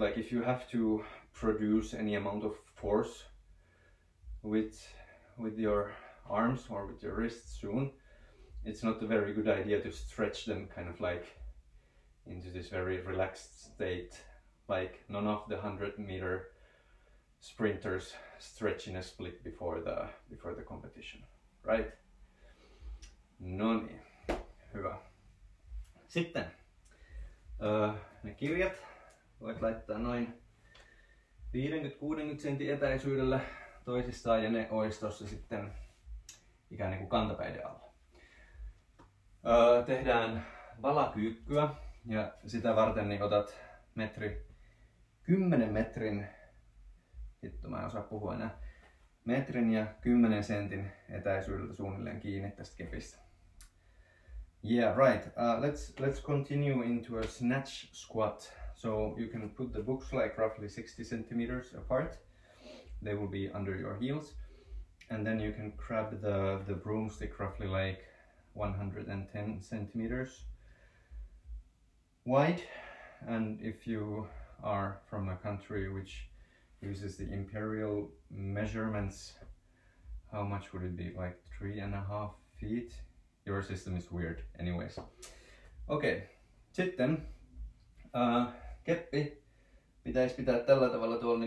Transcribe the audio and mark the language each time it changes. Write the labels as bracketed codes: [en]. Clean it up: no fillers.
[en] Like, if you have to produce any amount of force with your arms or with your wrists soon, it's not a very good idea to stretch them kind of like into this very relaxed state. Like, none of the 100-meter sprinters stretch in a split before the competition, right? [fi] No niin, hyvä. Sitten ne kirjat voit laittaa noin 50-60 sentin etäisyydellä toisistaan, ja ne olisi tuossa sitten ikään kuin kantapäiden alla. Tehdään valakyykkyä, ja sitä varten niin otat 10 metrin, hitto, mä en osaa puhua enää, metrin ja 10 sentin etäisyydeltä suunnilleen kiinni tästä kepistä. [en] Yeah, right. Let's continue into a snatch squat. So you can put the books like roughly 60 centimeters apart. They will be under your heels. And then you can grab the broomstick roughly like 110 centimeters wide. And if you are from a country which uses the imperial measurements, how much would it be? Like 3.5 feet? Your system is weird, anyways. [fi] Okay, sitten keppi pitäisi pitää tällä tavalla tuolla niinku.